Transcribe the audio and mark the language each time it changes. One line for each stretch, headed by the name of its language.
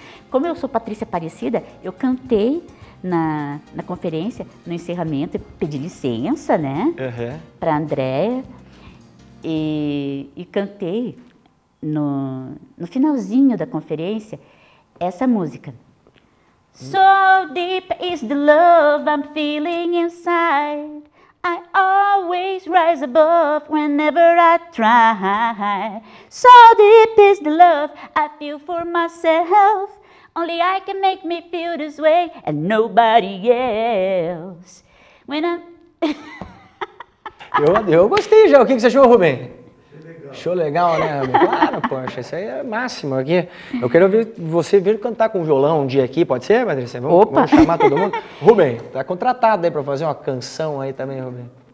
Portuguese: Como eu sou Patrícia Aparecida, eu cantei na conferência, no encerramento, pedi licença, né? Uhum. Pra Andréia. E cantei no finalzinho da conferência essa música.
English: So deep is the love I'm feeling inside. I always rise above whenever I try. So deep is the love I feel for myself. Only I can make me feel this way and nobody else. When I'm...
Portuguese: eu gostei já. O que você achou, Rubem? Show legal, né, Rubem? Claro, poxa, isso aí é máximo aqui. Eu quero ver você vir cantar com o violão um dia aqui, pode ser, Patrícia? Vamos, opa! Vamos chamar todo mundo. Rubem, tá contratado aí pra fazer uma canção aí também, Rubem.